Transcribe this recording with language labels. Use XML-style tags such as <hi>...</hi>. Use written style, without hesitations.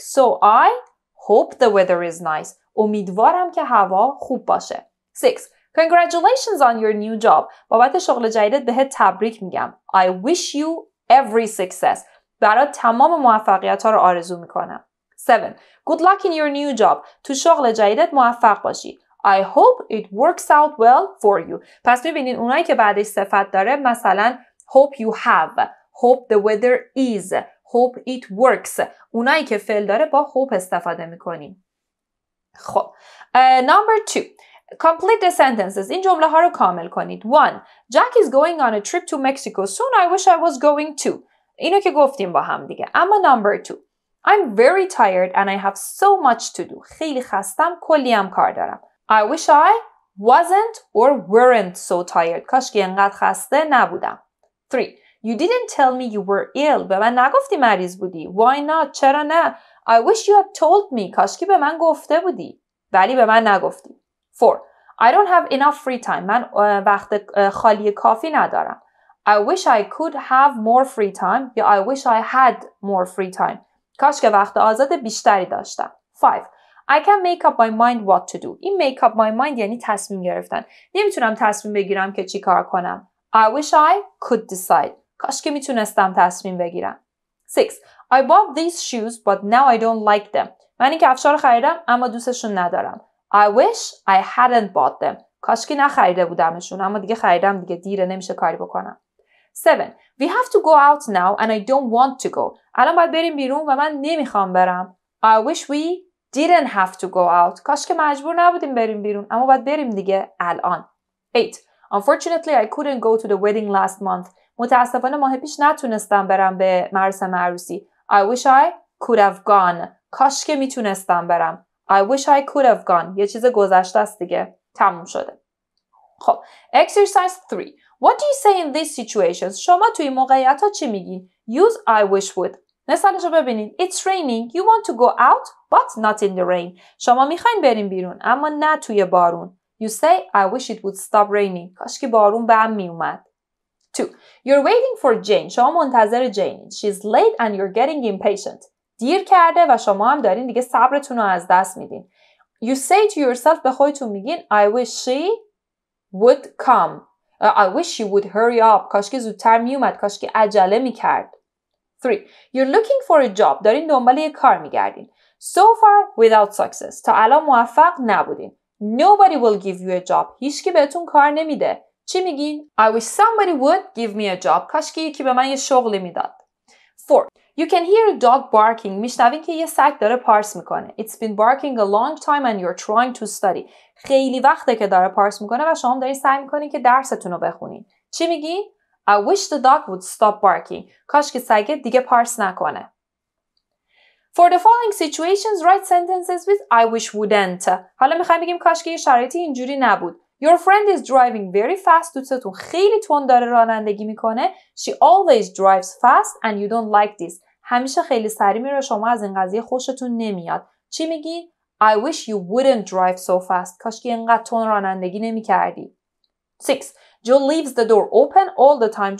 <en>So I hope the weather is nice.</en> <fa>امیدوارم که هوا خوب باشه.</fa> <en>6. Congratulations on your new job.</en> <fa>بابت شغل جدیدت بهت تبریک میگم.</fa> <en>I wish you every success.</en> <fa>برات تمام موفقیت‌ها رو آرزو میکنم.</fa> <en>7. Good luck in your new job.</en> <fa>تو شغل جدیدت موفق باشی.</fa> <en>I hope it works out well for you.</en> <fa>پس ببینین اونایی که بعدش صفت داره مثلا</fa> <en>hope you have. Hope the weather is. hope it works.</en> <fa>اونایی که فعل داره با hope استفاده میکنیم.</fa> <en>خب. Number two. Complete the sentences.</en> <fa>این جمله ها رو کامل کنید.</fa> <en>One. Jack is going on a trip to Mexico. Soon I wish I was going too.</en> <fa>اینو که گفتیم با هم دیگه. اما</fa> <en>number two. I'm very tired and I have so much to do.</en> <fa>خیلی خستم. کلی هم کار دارم.</fa> <en>I wish I wasn't or weren't so tired.</en> <fa>کاش که انقدر خسته نبودم.</fa> <en>Three. You didn't tell me you were ill.</en> <fa>به من نگفتی مریض بودی.</fa> <en>Why not?</en> <fa>چرا نه؟</fa> <en>I wish you had told me.</en> <fa>کاش که به من گفته بودی. ولی به من نگفتی. 4.</fa> <en>I don't have enough free time.</en> <fa>من وقت خالی کافی ندارم.</fa> <en>I wish I could have more free time. یا I wish I had more free time.</en> <fa>کاش که وقت آزاد بیشتری داشتم. 5.</fa> <en>I can make up my mind what to do.</en> <fa>این</fa> <en>make up my mind</en> <fa>یعنی تصمیم گرفتن. نمیتونم تصمیم بگیرم که چی کار کنم.</fa> <en>I wish I could decide.</en> <fa>کاش که میتونستم تصمیم بگیرم. 6.</fa> <en>I bought these shoes but now I don't like them.</en> <fa>من این کفش‌ها رو خریدم اما دوستشون ندارم.</fa> <en>I wish I hadn't bought them.</en> <fa>کاش که نخریده بودمشون اما دیگه خریدم دیگه دیره نمیشه کاری بکنم. 7.</fa> <en>We have to go out now and I don't want to go.</en> <fa>الان باید بریم بیرون و من نمیخوام برم.</fa> <en>I wish we didn't have to go out.</en> <fa>کاش که مجبور نبودیم بریم بیرون اما باید بریم دیگه الان. 8.</fa> <en>Unfortunately I couldn't go to the wedding last month.</en> <fa>متاسفانه ماه پیش نتونستم برم به مراسم عروسی.</fa> <en>I wish I could have gone.</en> <fa>کاش که میتونستم برم.</fa> <en>I wish I could have gone.</en> <fa>یه چیز گذشته است دیگه. تموم شده. خب.</fa> <en>Exercise 3. What do you say in these situations?</en> <fa>شما توی موقعیت ها چی میگین؟</fa> <en>Use I wish would.</en> <fa>مثالش رو ببینین.</fa> <en>It's raining. You want to go out but not in the rain.</en> <fa>شما میخواین بریم بیرون اما نه توی بارون.</fa> <en>You say I wish it would stop raining.</en> <fa>کاش که بارون به هم میومد.</fa> <en>2. You're waiting for Jane.</en> <fa>شما منتظر جینین.</fa> <en>She's late and you're getting impatient.</en> <fa>دیر کرده و شما هم دارین دیگه صبرتون رو از دست میدین.</fa> <en>You say to yourself</en> <fa>به خودتون میگین</fa> <en>I wish she would come. I wish she would hurry up.</en> <fa>کاش که زودتر میومد. کاش که عجله میکرد. 3.</fa> <en>You're looking for a job.</en> <fa>دارین دنبال یه کار میگردین.</fa> <en>So far without success.</en> <fa>تا الان موفق نبودین.</fa> <en>Nobody will give you a job.</en> <fa>هیچ کی بهتون کار نمیده. چی میگین؟</fa> <en>I wish somebody would give me a job.</en> <fa>کاش که یکی به من یه شغلی میداد.</fa> <en>4. You can hear a dog barking.</en> <fa>میشنوین که یه سگ داره پارس میکنه.</fa> <en>It's been barking a long time and you're trying to study.</en> <fa>خیلی وقته که داره پارس میکنه و شما دارین سعی میکنین که درستون رو بخونین. چی میگین؟</fa> <en>I wish the dog would stop barking.</en> <fa>کاش که سگ دیگه پارس نکنه.</fa> <en>For the following situations, write sentences with I wish wouldn't.</en> <fa>حالا میخوایم بگیم کاش که یه شرایطی اینجوری نبود.</fa> <en>Your friend is driving very fast.</en> <fa>دوستتون خیلی تند داره رانندگی میکنه.</fa> <en>She always drives fast and you don't like this.</en> <fa>همیشه خیلی سری میره شما از این قضیه خوشتون نمیاد. چی میگی؟</fa> <en>I wish you wouldn't drive so fast.</en> <fa>کاش که اینقدر تند رانندگی نمیکردی. 6.</fa> <en>Joe leaves the door open all the time.</en>